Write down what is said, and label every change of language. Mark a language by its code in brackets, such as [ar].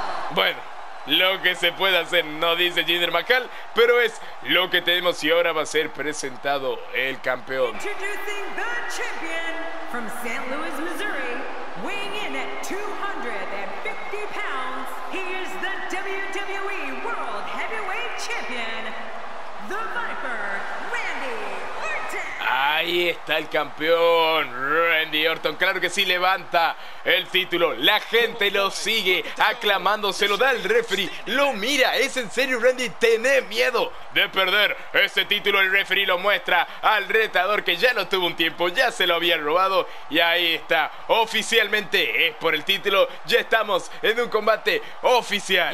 [es] Bueno, lo que se puede hacer, no dice Jinder Mahal, pero es lo que tenemos. Y ahora va a ser presentado el campeón. [en] Introducing the champion from St. Louis, Missouri, weighing in at 250 pounds, he is the WWE World Heavyweight Champion, the Viper, Randy Orton. [es] Ahí está el campeón, Randy Orton. Claro que sí, levanta el título, la gente lo sigue aclamando, se lo da el referee, lo mira, es en serio Randy, tenés miedo de perder ese título. El referee lo muestra al retador, que ya no tuvo un tiempo, ya se lo había robado, y ahí está, oficialmente es por el título, ya estamos en un combate oficial.